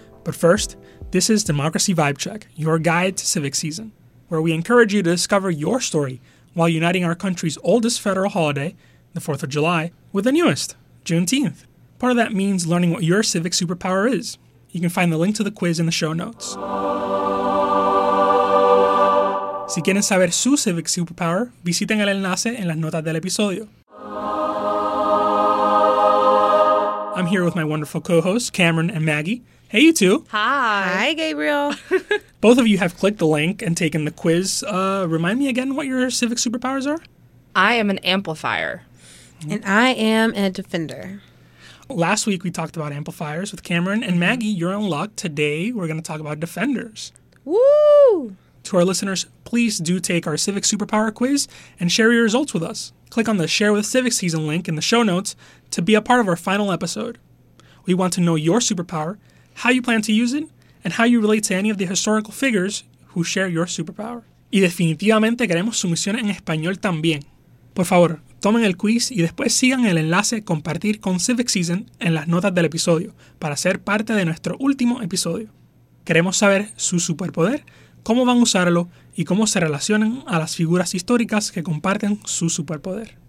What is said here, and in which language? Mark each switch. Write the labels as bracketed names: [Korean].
[English] But first, this is Democracy Vibe Check, your guide to civic season, where we encourage you to discover your story while uniting our country's oldest federal holiday, the 4th of July, with the newest, Juneteenth. Part of that means learning what your civic superpower is. You can find the link to the quiz in the show notes. [Spanish] Si quieren saber su civic superpower, visiten el enlace en las notas del episodio. [English] I'm here with my wonderful co-hosts, Cameron and Maggie. Hey, you two. Hi, Gabriel. Both of you have clicked the link and taken the quiz. Remind me again what your civic superpowers are. I am an amplifier. And I am a defender. Last week, we talked about amplifiers with Cameron and Maggie. You're in luck. Today, we're going to talk about defenders. Woo! To our listeners, please do take our civic superpower quiz and share your results with us. Click on the Share with Civic Season link in the show notes to be a part of our final episode. We want to know your superpower, how you plan to use it, and how you relate to any of the historical figures who share your superpower. [Spanish] Y definitivamente queremos sumisiones en español también. Por favor, tomen el quiz y después sigan el enlace Compartir con Civic Season en las notas del episodio para ser parte de nuestro último episodio. Queremos saber su superpoder, cómo van a usarlo y cómo se relacionan a las figuras históricas que comparten su superpoder.